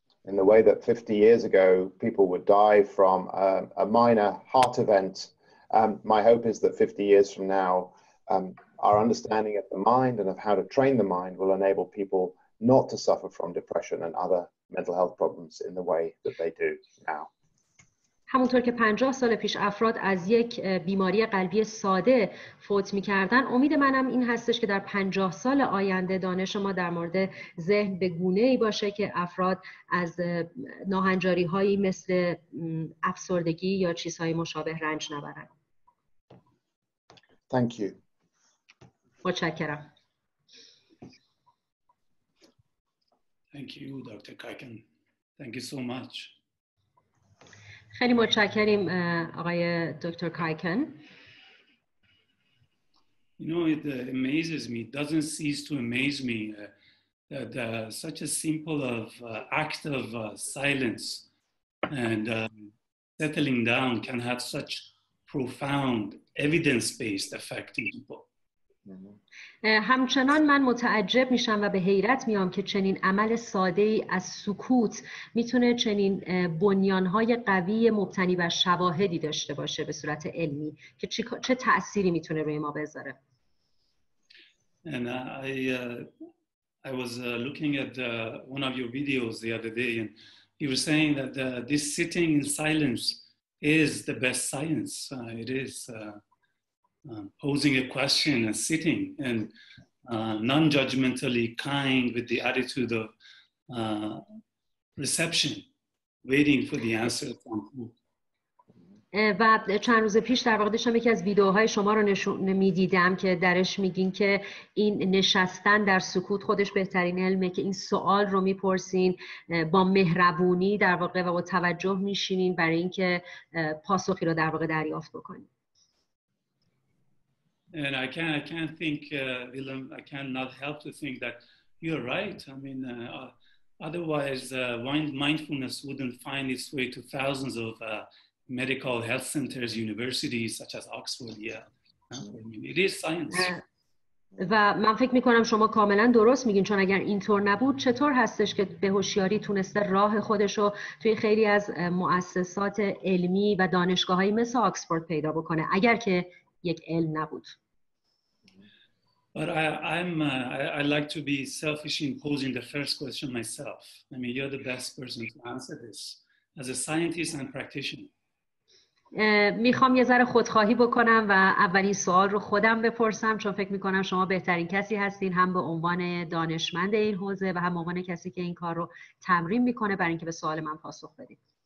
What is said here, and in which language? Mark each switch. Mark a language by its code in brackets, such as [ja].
[en] In the way that 50 years ago people would die from a minor heart event, my hope is that 50 years from now our understanding of the mind and of how to train the mind will enable people not to suffer from depression and other mental health problems in the way that they do now. [fa] همونطور که 50 سال پیش افراد از یک بیماری قلبی ساده فوت می‌کردن، امید منم این هستش که در 50 سال آینده دانش ما در مورد ذهن به گونه‌ای باشه که افراد از ناهنجاری‌هایی مثل افسردگی یا چیزهای مشابه رنج نبرن. [en] Thank you. [fa] متشکرم. [en] Thank you, Dr. Kuyken. Thank you so much. [fa] خیلی متشکریم آقای دکتر کایکن. [en] You know, it amazes me, doesn't cease to amaze me that such a simple of act of silence and settling down can have such profound evidence-based effect in people. [fa] همچنان من متعجب میشم و به حیرت میام که چنین عمل ساده‌ای از سکوت میتونه چنین بنیانهای قوی مبتنی بر شواهدی داشته باشه به صورت علمی که چه تأثیری میتونه روی ما بذاره. [en] And I was looking at one of your videos the other day and you were saying that this sitting in silence is the best science. It is posing a question and sitting and non-judgmentally kind with the attitude of reception, waiting for the answer from who. [fa] و چند روز پیش در واقع داشتم یکی از ویدیوهای شما رو می‌دیدم که درش میگین که این نشستن در سکوت خودش بهترین علمه، که این سوال رو میپرسین با مهربونی در واقع و با توجه میشینین برای اینکه پاسخی رو در واقع دریافت بکنین. [en] And I can't think, Willem, I cannot help to think that you're right. I mean, otherwise mindfulness wouldn't find its way to thousands of medical health centers, universities such as Oxford, yeah. I mean, it is science. [fa] و من فکر می‌کنم شما کاملاً درست میگین، چون اگر اینطور نبود چطور هستش که به هوشیاری تونسته راه خودش رو توی خیلی از مؤسسات علمی و دانشگاه‌های مثل آکسفورد پیدا بکنه اگر که یک علم نبود. [en] But I like to be selfish in posing the first question myself. I mean, you're the best person to answer this as a scientist and practitioner. [fa] میخوام یه ذره خودخواهی بکنم و اولین سوال رو خودم بپرسم، چون فکر میکنم شما بهترین کسی هستین هم به عنوان دانشمند این حوزه و هم به عنوان کسی که این کار رو تمرین میکنه برای اینکه به سوال من پاسخ بدید.